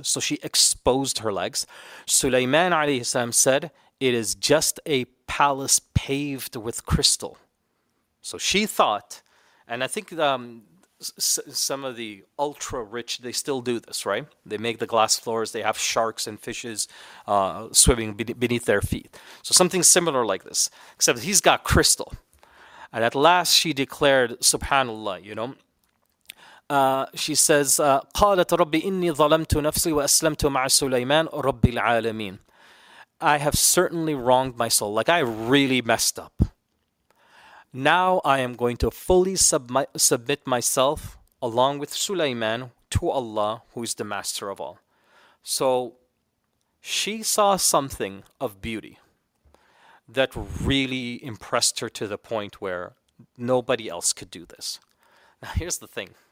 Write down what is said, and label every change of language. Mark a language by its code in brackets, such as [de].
[en] So she exposed her legs. Sulaiman alayhi salam said, it is just a palace paved with crystal. So she thought, and I think some of the ultra rich, they still do this, right? They make the glass floors, they have sharks and fishes swimming beneath their feet. So something similar like this, except he's got crystal. And at last she declared, subhanallah, she says, [ar] قَالَتْ رَبِّ إِنِّي ظَلَمْتُ نَفْسِي وَأَسْلَمْتُ مَعَ سُلَيْمَانُ رَبِّ الْعَالَمِينَ. [en] I have certainly wronged my soul. Like, I really messed up. Now I am going to fully submit myself along with Sulaiman to Allah, who is the master of all. So she saw something of beauty that really impressed her to the point where nobody else could do this. Now here's the thing.